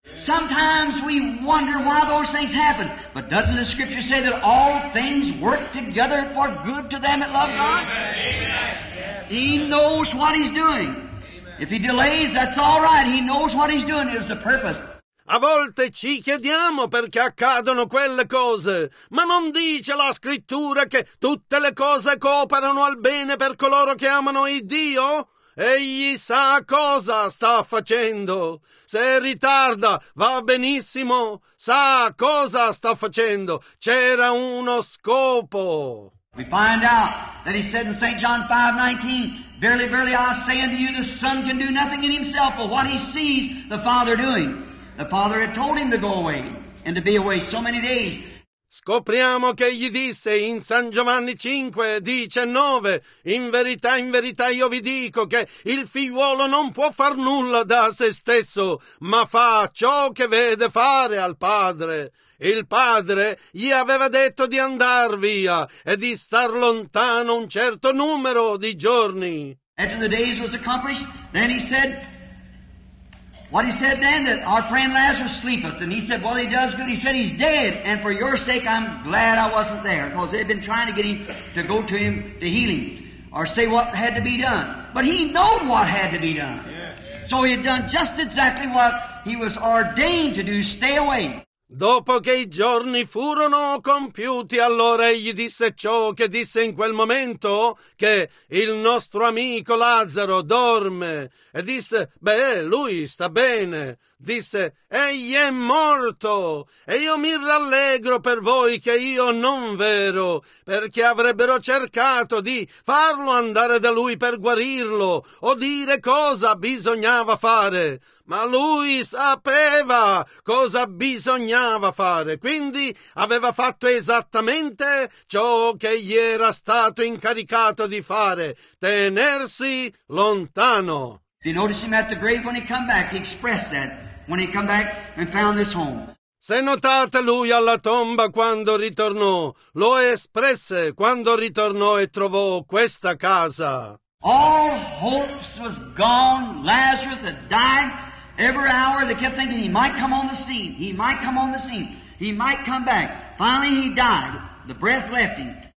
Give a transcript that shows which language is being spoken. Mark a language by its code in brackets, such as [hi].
[en] Sometimes we wonder why those things happen. But doesn't the scripture say that all things work together for good to them that love God? Amen. He knows what he's doing. Amen. If he delays, that's all right. He knows what he's doing. It was the purpose. [it] A volte ci chiediamo perché accadono quelle cose, ma non dice la scrittura che tutte le cose cooperano al bene per coloro che amano il Dio? Egli sa cosa sta facendo. Se ritarda, va benissimo. Sa cosa sta facendo. C'era uno scopo. [en] We find out that he said in St. John 5:19, verily, verily, I say unto you, the Son can do nothing in himself but what he sees the Father doing. The Father had told him to go away and to be away so many days. [it] Scopriamo che gli disse in San Giovanni 5:19, in verità io vi dico che il figliuolo non può far nulla da se stesso, ma fa ciò che vede fare al Padre. Il Padre gli aveva detto di andar via e di star lontano un certo numero di giorni. [en] After the days was accomplished, then he said, what he said then, that our friend Lazarus sleepeth. And he said, well, he does good. He said, he's dead. And for your sake, I'm glad I wasn't there. Because they've been trying to get him to go to him to heal him. Or say what had to be done. But he knew what had to be done. Yeah, yeah. So he had done just exactly what he was ordained to do. Stay away. [it] Dopo che i giorni furono compiuti, allora egli disse ciò che disse in quel momento, che il nostro amico Lazzaro dorme, e disse, beh, lui sta bene, disse, egli è morto, e io mi rallegro per voi che io non vero, perché avrebbero cercato di farlo andare da lui per guarirlo, o dire cosa bisognava fare. Ma lui sapeva cosa bisognava fare, quindi aveva fatto esattamente ciò che gli era stato incaricato di fare, tenersi lontano. [en] Did you notice him at the grave when he come back? He expressed that when he come back and found this home. [it] Se notate lui alla tomba quando ritornò, lo espresse quando ritornò e trovò questa casa. [en] All hopes was gone, Lazarus had died. Every hour they kept thinking he might come on the scene, he might come on the scene, he might come back. Finally he died, the breath left him.